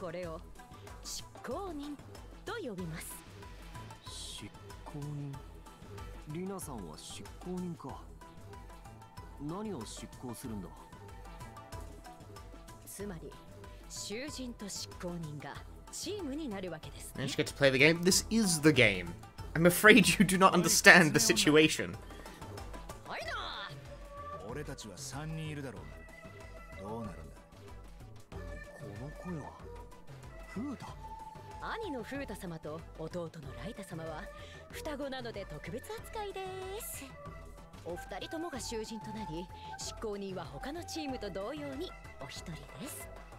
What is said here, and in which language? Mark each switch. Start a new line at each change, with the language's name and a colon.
Japanese: これを執行人と呼びます。執行人。リナさんは執行人か。何を執行するんだ。つまり囚人と執行人がチームになるわけですね。
English: And she gets to play the game. This is the game. I'm afraid you do not understand the situation.
Japanese: はいな。俺たちは三人いるだろう。どうなるんだ。この声はフータ。兄のフータ様と弟のライタ様は双子なので特別扱いです。お二人ともが囚人となり執行人は他のチームと同様にお一人です。